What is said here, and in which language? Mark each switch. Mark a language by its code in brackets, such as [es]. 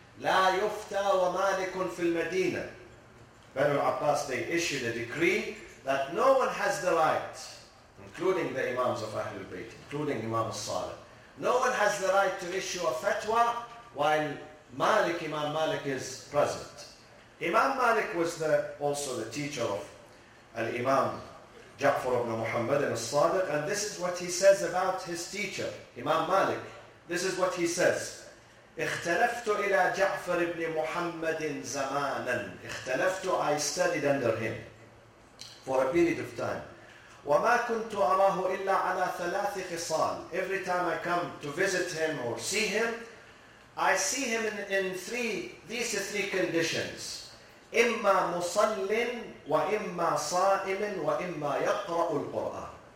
[ar] La yufta wa malikun fil Madinah. [en] Bani al-Abbas, they issued a decree that no one has the right, including the Imams of Ahlul Bayt, including Imam al-Sadiq, no one has the right to issue a fatwa while Malik, Imam Malik, is present. Imam Malik was also the teacher of Al-Imam Ja'far ibn Muhammad al-Sadiq, and this is what he says about his teacher, Imam Malik. This is what he says. [ar] اختلفتُ إلى جعفر ابن محمد زماناً. [en] اختلفتُ, I studied under him for a period of time. [ar] وَمَا كُنْتُ أَرَاهُ إِلَّا عَلَى ثَلَاثِ خِصَالٍ. [en] Every time I come to visit him or see him, I see him in these three conditions. [ar] إِمَّا مُصَلٍ وَإِمَّا صَائِمٍ وَإِمَّا يَقْرَأُ الْقُرْآنِ.